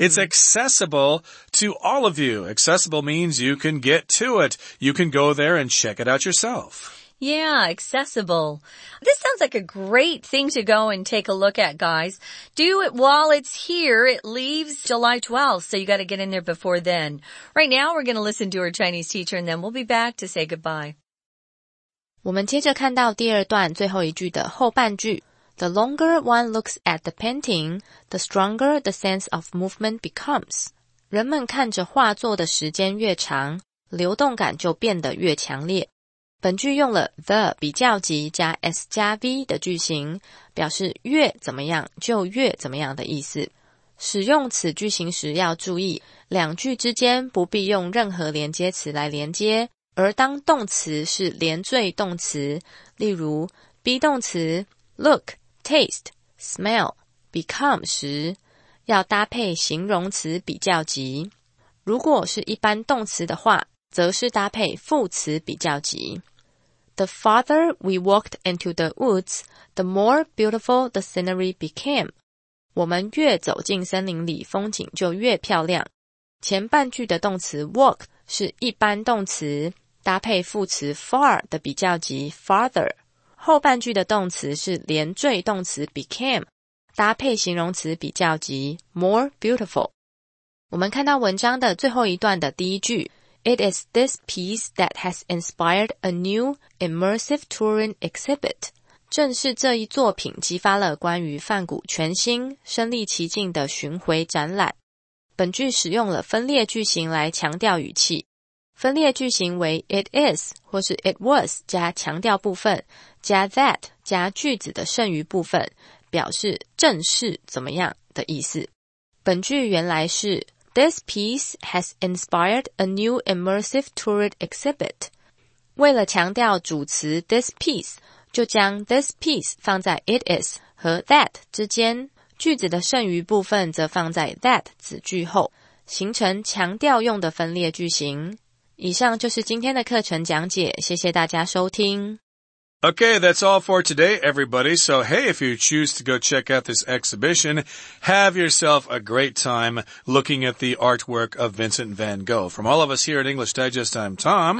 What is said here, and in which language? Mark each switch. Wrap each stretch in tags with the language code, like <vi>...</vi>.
<en>It's accessible to all of you. Accessible means you can get to it. You can go there and check it out yourself. Yeah, accessible. This sounds like a great thing to go and take a look at, guys. Do it while it's here. It leaves July 12th, so you got to get in there before then. Right now, we're going to listen to our Chinese teacher, and then we'll be back to say goodbye.</en> <zh>我们接着看到第二段最后一句的后半句。</zh> <en>The longer one looks at the painting, the stronger the sense of movement becomes.</en> <zh>人们看着画作的时间越长，流动感就变得越强烈。本句用了 the 比较级加 s 加 v 的句型，表示越怎么样就越怎么样的意思。使用此句型时要注意，两句之间不必用任何连接词来连接，而当动词是连缀动词，例如 be 动词 look, taste, smell, become 时，要搭配形容词比较级。如果是一般动词的话，则是搭配副词比较级。</zh> <en>The farther we walked into the woods, the more beautiful the scenery became.</en> <zh>我们越走进森林里，风景就越漂亮。前半句的动词 walk 是一般动词，搭配副词 far 的比较级 farther。后半句的动词是连缀动词 became， 搭配形容词比较级 more beautiful。我们看到文章的最后一段的第一句。</zh> <en>It is this piece that has inspired a new immersive touring exhibit.</en> <zh>正是这一作品激发了关于梵谷全新、身临其境的巡回展览。本句使用了分裂句型来强调语气。分裂句型为 it is 或是 it was 加强调部分，加 that 加句子的剩余部分，表示正是怎么样的意思。本句原来是</zh> <en>This piece has inspired a new immersive tourist exhibit.</en> <zh>为了强调主词 this piece, 就将 this piece 放在 it is 和 that 之间，句子的剩余部分则放在 that 子句后，形成强调用的分裂句型。以上就是今天的课程讲解，谢谢大家收听。</zh> <en>Okay, that's all for today, everybody. So, hey, if you choose to go check out this exhibition, have yourself a great time looking at the artwork of Vincent van Gogh. From all of us here at English Digest, I'm Tom.</en>